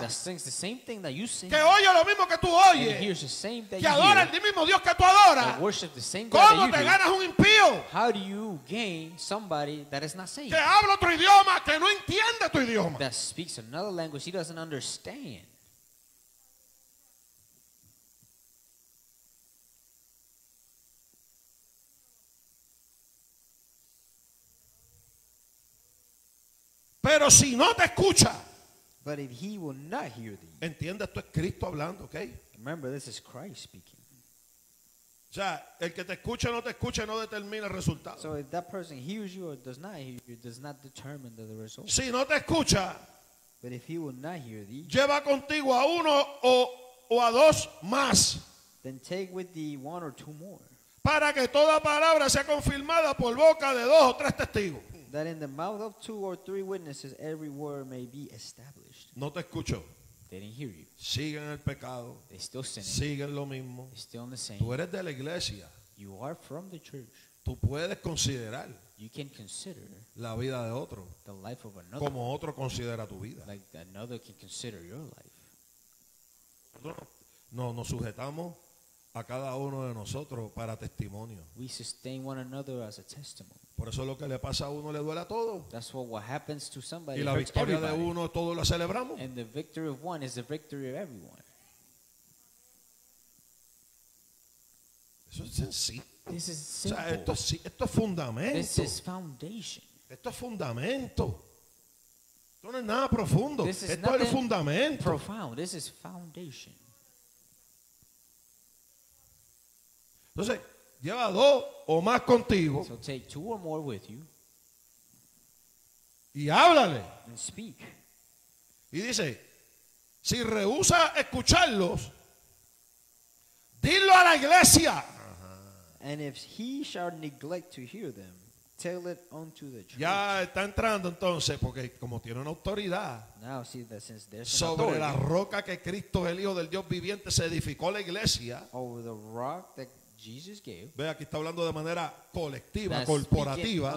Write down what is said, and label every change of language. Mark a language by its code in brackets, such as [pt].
[en] That sings the same thing that you sing. [es] Que oye lo mismo que tú oyes. [en] And hears the same that [es] que adora [en] you hear, [es] el mismo Dios que tú adoras. [en] And worship the same God that you do. [es] ¿Cómo te ganas un impío? [en] How do you gain somebody that is not saved? [es] Que habla otro idioma que no entiende tu idioma. [en] That speaks another language he doesn't understand. [es] Pero si no te escucha. [en] But if he will not hear thee. [es] Entiende, esto es Cristo hablando, ¿okay? [en] Remember, this is Christ speaking. [es] Ya, el que te escucha o no te escucha no determina el resultado. [en] So if that person hears you or does not hear you, does not determine the result. [es] Si no te escucha. [en] But if he will not hear thee. [es] Lleva contigo a uno o a dos más. [en] Then take with thee one or two more. [es] Para que toda palabra sea confirmada por boca de dos o tres testigos. [en] That in the mouth of two or three witnesses every word may be established. [es] No te escucho. [en] They didn't hear you. [es] Siguen el pecado. [en] They still sinning. [es] Siguen lo mismo. [en] They still in the same. [es] Tú eres de la iglesia. [en] You are from the church. [es] Tú puedes considerar. [en] You can consider. [es] La vida de otro. [en] The life of another. [es] Como otro considera tu vida. [en] Like another can consider your life. [es] No, nos sujetamos a cada uno de nosotros para testimonio. [en] We sustain one another as a testimony. [es] Por eso lo que le pasa a uno le duele a todo. [en] That's what happens to somebody. [es] Y la victoria de uno todos la celebramos. [en] And the victory of one is the victory of everyone. [es] Eso es sencillo. [en] This is simple. [es] O sea, esto es fundamento. [en] This is foundation. [es] Esto es fundamento. Esto no es nada profundo. [en] This is [es] esto es el fundamento. [en] Profound. This is foundation. [es] Entonces, lleva dos o más contigo. [en] So take two or more with you. [es] Y háblale. [en] And speak. [es] Y dice, si rehúsa escucharlos, dilo a la iglesia. [en] And if he shall neglect to hear them, tell it unto the church. [es] Ya está entrando entonces, porque como tiene una autoridad [en] now, see that since there's [es] sobre [en] an authority, [es] la roca que Cristo es el Hijo del Dios viviente se edificó la iglesia. [en] Over the rock that Jesus gave, [es] ve, aquí está hablando de manera colectiva, corporativa.